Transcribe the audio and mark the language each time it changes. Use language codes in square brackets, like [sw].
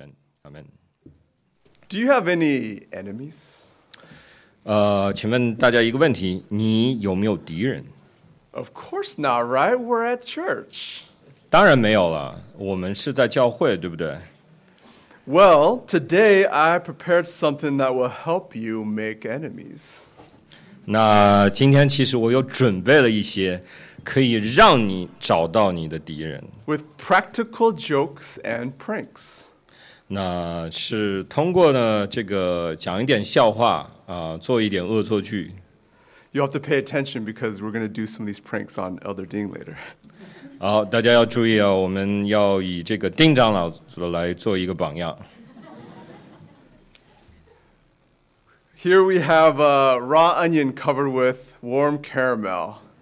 [zh] 感谢赞美您，谢谢您带领我们来到这里，也求您让我们每一个人可以敞开我们的心，可以听到您的声音，然后在我们接下来的一个礼拜可以行出来，然后我们这一切都献上感恩，献给神，阿门。 [en] Do you have any enemies? [zh] 请问大家一个问题，你有没有敌人？ [en] Of course not, right? We're at church. [zh] 当然没有了，我们是在教会，对不对？ [en] Well, today I prepared something that will help you make enemies. [zh] 那今天其实我有准备了一些可以让你找到你的敌人。 [en] With practical jokes and pranks. [zh] 那是通过呢这个讲一点笑话，做一点恶作剧。 [en] You have to pay attention because we're going to do some of these pranks on Elder Ding later. [zh] 好，大家要注意啊，我们要以这个丁长老来做一个榜样。 [en] Here we have a raw onion covered with warm caramel.